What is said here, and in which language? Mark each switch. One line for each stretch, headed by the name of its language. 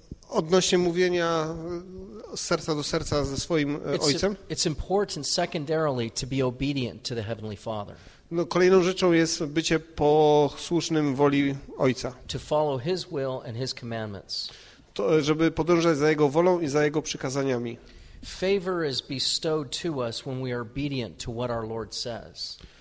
Polish: odnośnie mówienia serca do serca ze swoim ojcem.
English: It's important secondarily to be obedient to the Heavenly Father.
Polish: No, kolejną rzeczą jest bycie posłusznym woli Ojca.
English: To follow His will and His commandments.
Polish: To, żeby podążać za Jego wolą i za Jego przykazaniami.
English: Favor is bestowed to us when we are obedient to what our Lord says.